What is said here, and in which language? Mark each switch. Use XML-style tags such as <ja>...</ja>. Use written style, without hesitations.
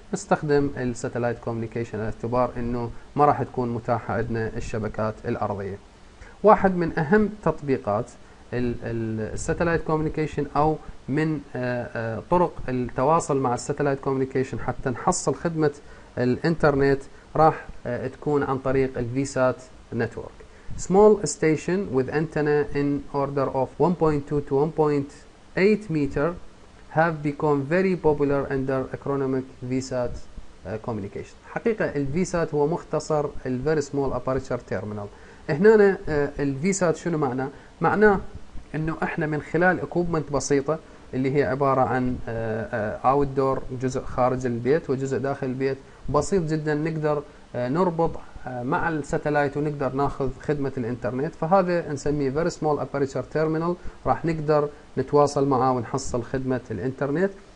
<ar>نستخدم الساتلايت كوميونيكيشن لاعتبار انه ما راح تكون متاحة عندنا الشبكات الأرضية. واحد من أهم تطبيقات الساتلايت كوميونيكيشن أو من طرق التواصل مع الساتلايت كوميونيكيشن حتى نحصل خدمة الانترنت راح تكون عن طريق الفيسات نتورك.</ar> <en>Small station with antenna in order of 1.2 to 1.8 meter have become very popular under acronymic VSAT communication.</en> <ar>حقيقة الـ VSAT هو مختصر الـ Very Small Aperture Terminal. هنا الـ VSAT شنو معنى؟ معناه أنه إحنا من خلال equipment بسيطة اللي هي عبارة عن outdoor، جزء خارج البيت وجزء داخل البيت، بسيط جدا نقدر نربط مع الساتلايت ونقدر ناخذ خدمة الانترنت، فهذا نسميه Very Small Aperture Terminal، راح نقدر نتواصل معه ونحصل خدمة الانترنت.</ar>